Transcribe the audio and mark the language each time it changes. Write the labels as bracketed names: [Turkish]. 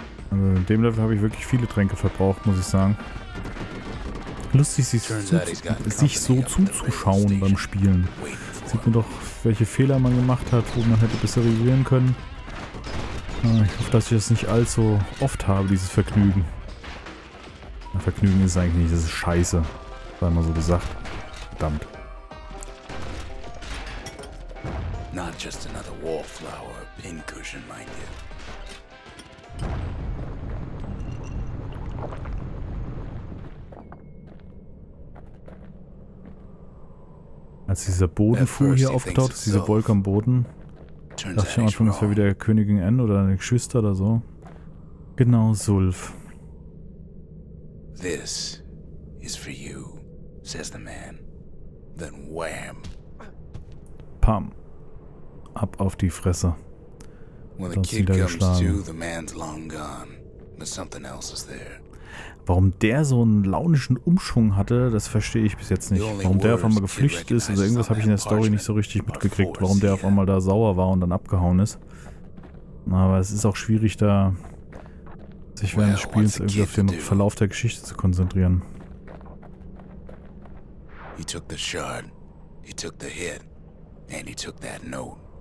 [German] Also in dem Level habe ich wirklich viele Tränke verbraucht, muss ich sagen. Lustig, sich so zuzuschauen beim Spielen. Sieht man doch, welche Fehler man gemacht hat, wo man hätte besser reagieren können. Ich hoffe, dass ich das nicht allzu oft habe, dieses Vergnügen. Vergnügen ist eigentlich nicht, das ist scheiße. War mal so gesagt. Verdammt. [English] Not just another wallflower pincushion, mind you. [German] Als dieser Bodenfuhr hier aufgetaucht ist, diese Wolke am Boden, dachte ich am Anfang, es wäre wieder Königin N oder eine Geschwister oder so. Genau, Sulf. [English] This is for you, says the man. Then wham. [German] Pam. Ab auf die Fresse. [English] When the kid comes to, the man's long gone, but something else is there. [German] Warum der so einen launischen Umschwung hatte, das verstehe ich bis jetzt nicht. Warum der auf einmal geflüchtet ist, also irgendwas habe ich in der Story nicht so richtig mitgekriegt, warum der auf einmal da sauer war und dann abgehauen ist. Aber es ist auch schwierig, da sich während des Spiels irgendwie auf den Verlauf der Geschichte zu konzentrieren. [English] He took the shard, he took the hit, and he took that note.